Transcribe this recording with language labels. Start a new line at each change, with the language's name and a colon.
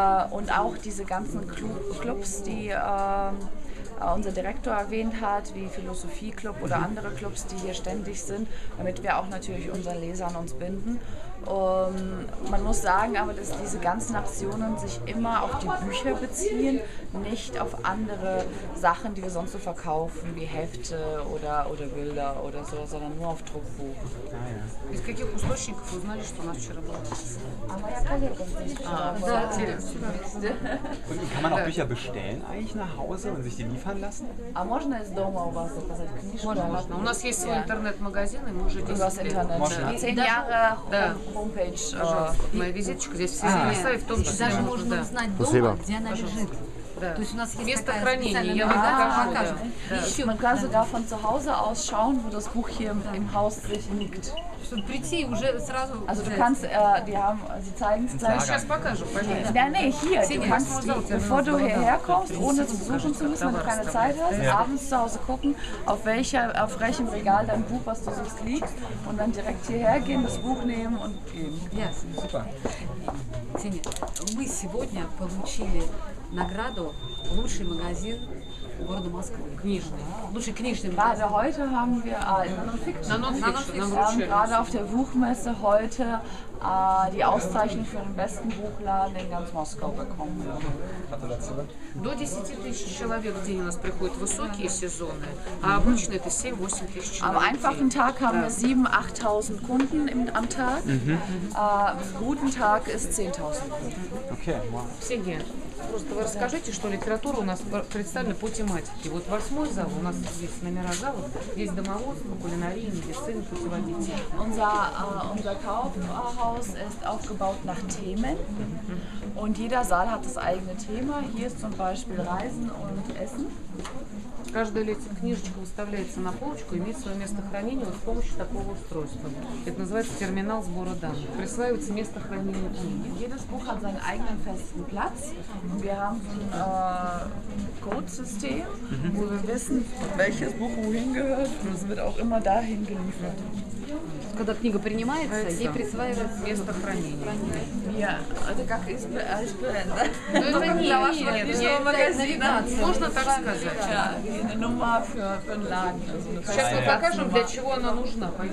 German: Und auch diese ganzen Clubs, die unser Direktor erwähnt hat, wie Philosophie-Club oder andere Clubs, die hier ständig sind, damit wir auch natürlich unsere Leser an uns binden. Man muss sagen aber, dass diese ganzen Aktionen sich immer auf die Bücher beziehen, nicht auf andere Sachen, die wir sonst so verkaufen, wie Hefte oder Bilder oder so, sondern nur auf Druckbuch.
Russian: Из каких источников вы узнали, что у нас вчера было? А моя коллега.
German: Kann man auch Bücher bestellen eigentlich nach Hause und sich die liefern lassen?
Russian: А можно из дома у вас заказать книжку? Можно, можно. У нас есть свой интернет-магазин, и мы уже здесь. У вас интернет.
German: 10 Jahre Homepage.
Russian: Моя визиточка здесь все записали, в том числе. Даже можно узнать дома, где она лежит. Да. То есть у нас есть место хранения, я вам покажу. Еще мы каждый раз
German: von zu Hause aus schauen, wo das Buch hier im Haus sich liegt.
Russian: Чтобы прийти уже сразу.
German: Also du kannst, die haben, sie zeigen es.
Russian: Я сейчас покажу, пожалуйста. Да, не,
German: hier. Du kannst, bevor du hierher kommst, ohne zu suchen zu müssen, wenn du keine Zeit hast, abends zu Hause gucken, auf welchem Regal dein Buch, was du suchst, liegt, und dann direkt hierher gehen, das Buch nehmen und gehen. Ja, super.
Russian: Сеня, мы сегодня получили награду лучший магазин города Москвы, книжный. Лучший книжный магазин.
German: Gerade heute haben wir gerade auf der Buchmesse heute die Auszeichnung für den besten Buchladen in ganz Moskau bekommen.
Russian: До 10.000 человек в день у нас приходят высокие сезоны, а обычно это 7-8 тысяч человек.
German: Am einfachen Tag haben wir 7-8.000 Kunden am Tag. Guten Tag ist 10.000 Kunden. Okay, wow.
Russian: Сеня, просто вы расскажите, что литература у нас представлена по тематике. Вот восьмой зал, у нас здесь номера залов, здесь домоводство, кулинария, медицина, путеводитель.
German: Unser Kaufhaus ist aufgebaut nach Themen und jeder Saal hat das eigene Thema. Hier ist zum Beispiel Reisen und Essen.
Russian: Каждая летняя книжечка выставляется на полочку и имеет свое место хранения вот с помощью такого устройства. Это называется терминал сбора данных. Присваивается место хранения книги.
German: Jedes Buch hat seinen eigenen festen Platz. Wir haben ein Codesystem, wo wir wissen, welches Buch wohin gehört. Und es wird auch immer dahin geliefert.
Russian: Когда книга принимается, ей присваивается место хранения. Это как для вашего книжного магазина. Можно так сказать. Сейчас мы покажем, для чего она нужна.